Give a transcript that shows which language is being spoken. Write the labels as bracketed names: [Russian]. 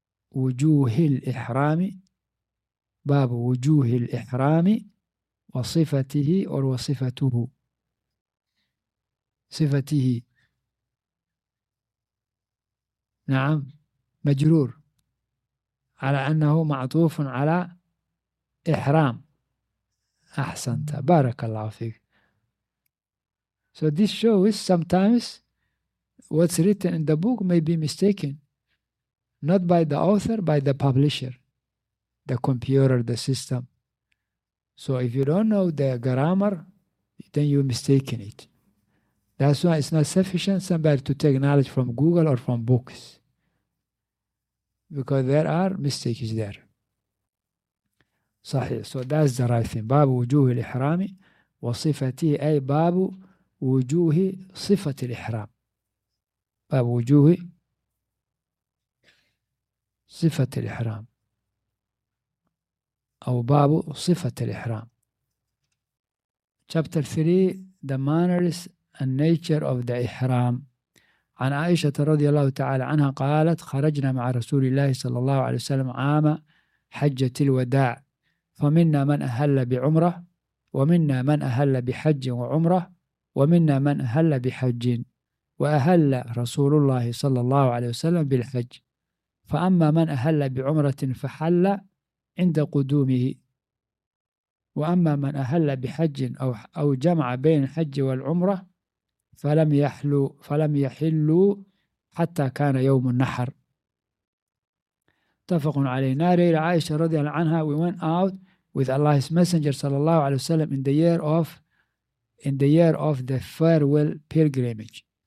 [Arabic] وجوه الإحرام باب وجوه الإحرام وصفته [English] or [Arabic] وصفته. صفته. نعم مجرور على أنه معطوف على إحرام. أحسنت بارك الله فيك. [English] So this shows sometimes what's written in the book may be mistaken, not by the author, by the publisher, the computer, the system. So if you don't know the grammar, then you're mistaken it. That's why it's not sufficient somebody to take knowledge from Google or from books, because there are mistakes there. Sahih. So that's the right thing. [Arabic] باب وجوه الإحرام وصفته أي باب وجوه صفة الإحرام. باب وجوه صفة الإحرام أو باب صفة الإحرام. [English] Chapter 3, the manners and nature of the إحرام. [Arabic] عن عائشة رضي الله تعالى عنها قالت خرجنا مع رسول الله صلى الله عليه وسلم عام حجة الوداع، فمنا من أهل بعمرة، ومنا من أهل بحج وعمرة، ومنا من أهل بحج، وأهل رسول الله صلى الله عليه وسلم بالحج. فأما من أهل بعمرة فحل عند قدومه، وأما من أهل بحج أو جمع بين الحج والعمرة فلم يحلوا حتى كان يوم النحر. اتفق عليه. [English] نارير عائشة [Arabic] رضي الله عنها، [English] we went out with Allah's Messenger [Arabic] صلى الله عليه وسلم [English] in the year of the farewell pilgrimage.